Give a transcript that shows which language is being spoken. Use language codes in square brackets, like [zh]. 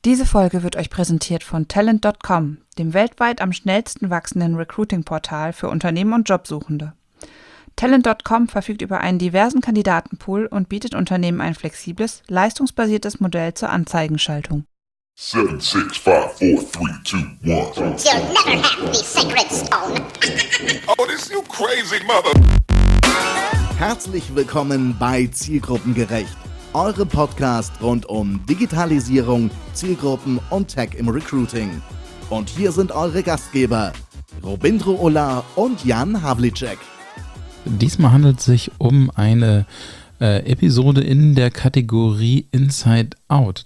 [de] Diese Folge wird euch präsentiert von Talent.com, dem weltweit am schnellsten wachsenden Recruiting-Portal für Unternehmen und Jobsuchende. Talent.com verfügt über einen diversen Kandidatenpool und bietet Unternehmen ein flexibles, leistungsbasiertes Modell zur Anzeigenschaltung. [en] 7, 6, 5, 4, 3, 2, 1. You'll never have the sacred stone. Oh, this you crazy mother. [de] Herzlich willkommen bei Zielgruppengerecht, eurem Podcast rund um Digitalisierung, Zielgruppen und Tech im Recruiting. Und hier sind eure Gastgeber, Robindro Ulla und Jan Havlicek. Diesmal handelt es sich um eine Episode in der Kategorie Inside Out.